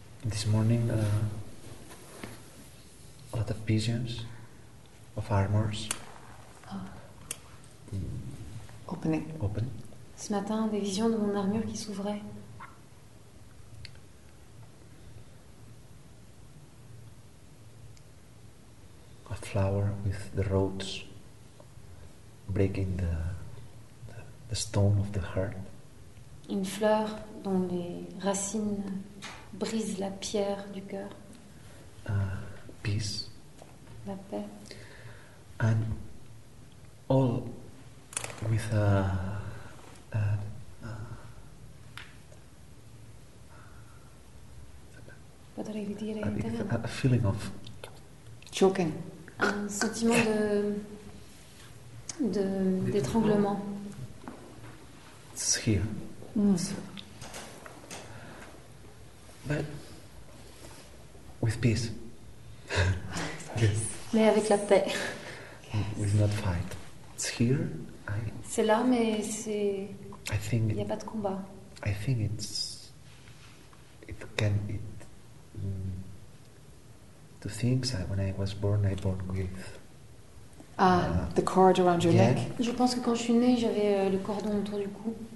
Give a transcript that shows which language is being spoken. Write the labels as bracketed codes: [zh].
[en] This morning, a lot of visions of armors. Opening. Open. [fr] Ce matin, des visions de mon armure qui s'ouvrait. [en] A flower with the roots breaking the stone of the heart. [fr] Une fleur dont les racines brisent la pierre du cœur. [en] Peace. [fr] La paix. [en] And all with a feeling of choking. [fr] Un sentiment de d'étranglement. [en] It's here. But with peace. [fr] Yes. Mais avec la paix. Yes. [en] With not fight. It's here. [fr] C'est là, mais c'est. Il n'y a pas de combat. [en] I think it can. The things that when I was born with the cord around your neck. [fr] Je pense que quand je suis née, j'avais le cordon autour du cou.